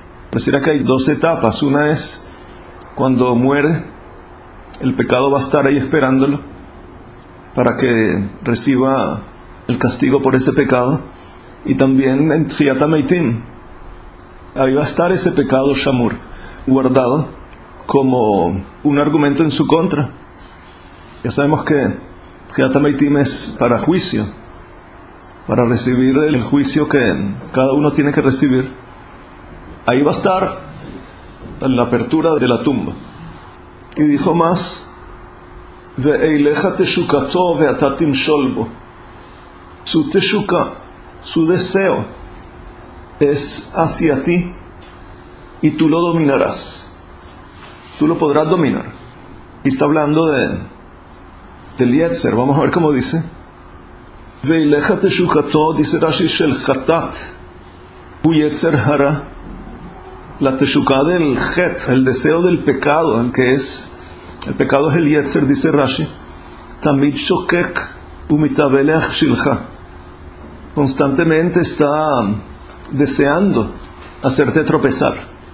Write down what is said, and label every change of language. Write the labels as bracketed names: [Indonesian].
[Spanish] Pareciera que hay dos etapas. Una es cuando muere, el pecado va a estar ahí esperándolo para que reciba el castigo por ese pecado, y también en Tchiyat HaMeitim ahí va a estar ese pecado shamur, guardado como un argumento en su contra. Ya sabemos que Tchiyat HaMeitim es para juicio, para recibir el juicio que cada uno tiene que recibir. Ahí va a estar en la apertura de la tumba. Y dijo más: [Hebrew] ואילך תשוקתו ואתה תמשול בו. [Spanish] Su teshuka, su deseo, es hacia ti, y tú lo dominarás. Tú lo podrás dominar. Y está hablando de Yetzer. Vamos a ver cómo dice. [Hebrew] ואילך תשוקתו, [Spanish] dice Rashi, [Hebrew] של חטאת, הוא יצר הרע. [Spanish] La teshuka del chet, el deseo del pecado, el que es el pecado es el Yetzer, dice Rashi. [Hebrew] Tamid shokek umitabeleach shilcha. [Spanish] Constantemente está deseando hacerte tropezar.